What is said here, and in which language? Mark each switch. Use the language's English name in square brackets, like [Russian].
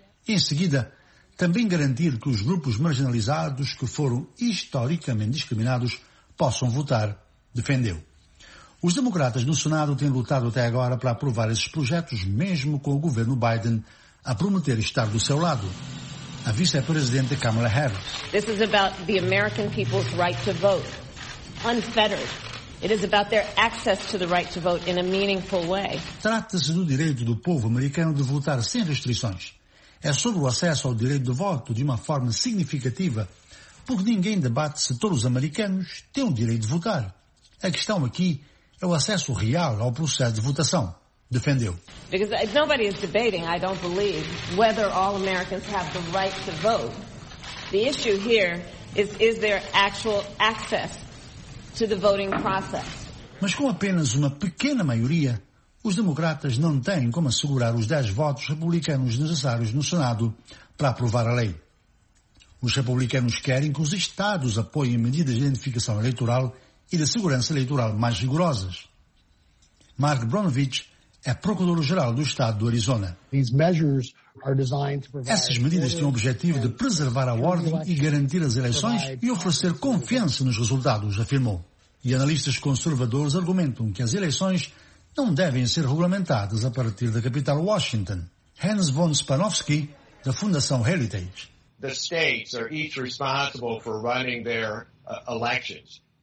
[Portuguese] Em seguida, também garantir que os grupos marginalizados que foram historicamente discriminados possam votar, defendeu. Os democratas no Senado têm lutado até agora para aprovar esses projetos, mesmo com o governo Biden a prometer estar do seu lado. A vice-presidente Kamala Harris. [English] This is about the American people's right to vote, unfettered. It is about their access to the right to vote in a meaningful way. [Portuguese] Trata-se do direito do povo americano de votar sem restrições. É sobre o acesso ao direito de voto de uma forma significativa, porque ninguém debate se todos os americanos têm o direito de votar. A questão aqui é o acesso real ao processo de votação. Defendeu. [English] Because nobody is debating, I don't believe, whether all Americans have the right to vote. The issue here is their actual access to the voting process. [Portuguese] Mas com apenas uma pequena maioria, os democratas não têm como assegurar os 10 votos republicanos necessários no Senado para aprovar a lei. Os republicanos querem que os estados apoiem medidas de identificação eleitoral e de segurança eleitoral mais rigorosas. Mark Bronovich é procurador-geral do Estado do Arizona. Essas medidas têm o objetivo de preservar a ordem e garantir as eleições e oferecer confiança nos resultados, afirmou. E analistas conservadores argumentam que as eleições não devem ser regulamentadas a partir da capital Washington. Hans von Spanowski, da Fundação Heritage. [English] The states are each responsible for running their elections.